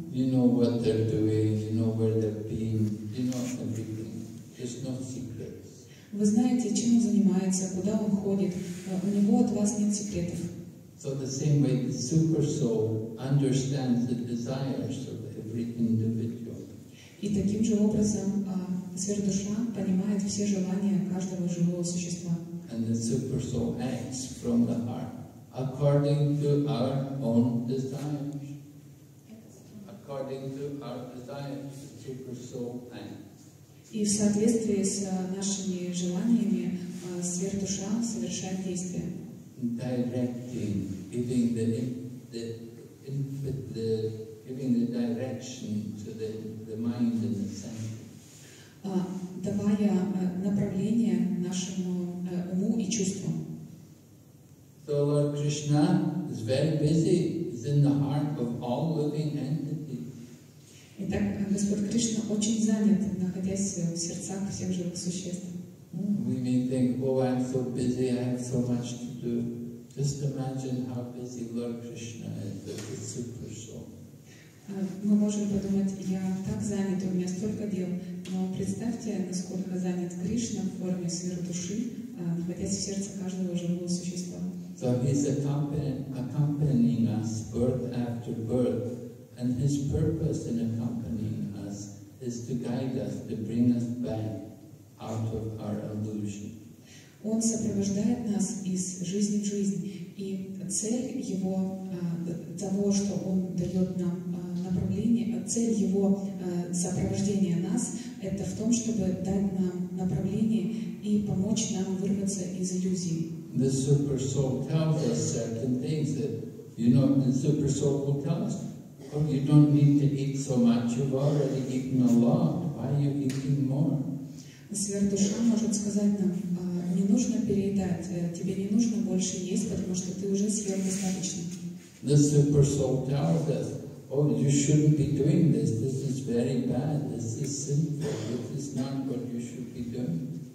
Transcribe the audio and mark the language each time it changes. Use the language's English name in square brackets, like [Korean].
[English] You know what they're doing, you know where they're being, you know everything. There's no secrets. [Russian] Вы знаете, чем он занимается, куда он ходит, у него от вас нет секретов. [English] So the same way the super soul understands the desires of every individual. [Russian] И таким же образом сверхдуша понимает все желания каждого живого существа. [English] And the super soul acts from the heart according to our own desires. According to our desires, the super soul acts. [Russian] И в соответствии с нашими желаниями сверхдуша совершает действия. [English] Directing, giving the direction to the mind and the senses. [Russian] Давая направление нашему уму и чувствам. [English] So Lord Krishna is very busy. He's in the heart of all living entities. [Russian] Итак, Господь Кришна очень занят, находясь в сердцах всех живых существ. [English] We may think, oh, I'm so busy, I have so much to do. Just imagine how busy Lord Krishna is with the super soul. [Russian] Мы можем подумать, я так занят, у меня столько дел, но представьте, насколько занят Кришна в форме сверхдуши, находясь в сердце каждого живого существа. [English] So he's accompanying us birth after birth, and his purpose in accompanying us is to guide us, to bring us back out of our illusion. [Russian] Он сопровождает нас из жизни в жизнь, и цель его того, что он дает нам направление, цель его сопровождения нас, это в том, чтобы дать нам направление и помочь нам вырваться из иллюзий. [English] The super soul tells us certain things that, you know, the super soul will tell us, oh, you don't need to eat so much, you've already eaten a lot, why are you eating more? [Russian] Сверхдуша может сказать нам, не нужно переедать, тебе не нужно больше есть, потому что ты уже съел достаточно. [English] The super soul tells us, oh, you shouldn't be doing this, this is very bad, this is sinful, this is not what you should be doing.